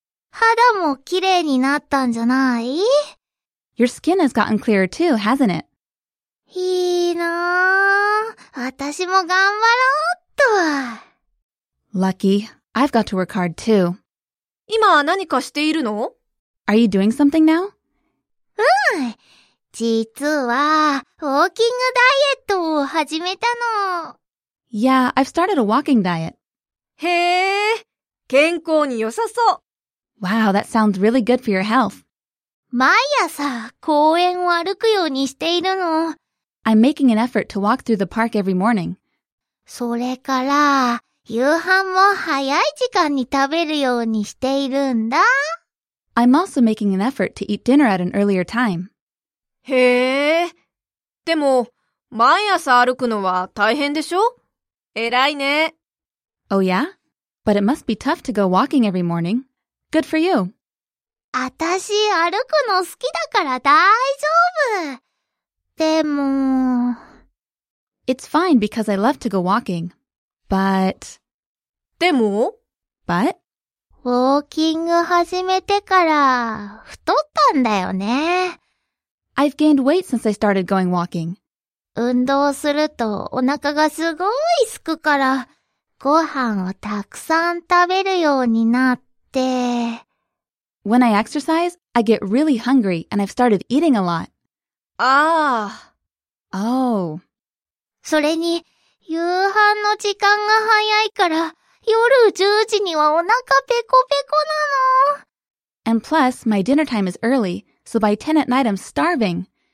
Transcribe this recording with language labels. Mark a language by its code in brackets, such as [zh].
[ja] 肌も綺麗になったんじゃない？ [en] Your skin has gotten clearer too, hasn't it? [ja] いいなぁ。私も頑張ろうっと。 [en] Lucky, I've got to work hard too. [ja] 今何かしているの？ [en] Are you doing something now? [ja] うん。実は、ウォーキングダイエットを始めたの。 [en] Yeah, I've started a walking diet. [ja] へぇ、健康に良さそう。 [en] Wow, that sounds really good for your health. [ja] 毎朝、公園を歩くようにしているの。 I'm making an effort to walk through the park every morning. それから、夕飯も早い時間に食べるようにしているんだ。 [en] I'm also making an effort to eat dinner at an earlier time. [ja] へえ。でも、毎朝歩くのは大変でしょ？偉いね。 [en] Oh yeah? But it must be tough to go walking every morning. Good for you. [ja] 私歩くの好きだから大丈夫。でも… [en] It's fine because I love to go walking. But… [ja] でも [en] But? [ja] ウォーキング始めてから太ったんだよね。 [en] I've gained weight since I started going walking. [ja] 運動するとお腹がすごいすくから、ご飯をたくさん食べるようになって。 [en] When I exercise, I get really hungry and I've started eating a lot. [ja] ああ。 [en] Oh. [ja] それに、夕飯の時間が早いから、夜10時にはお腹ペコペコなの。 [en] And plus, my dinner time is early, so by 10 at night I'm starving.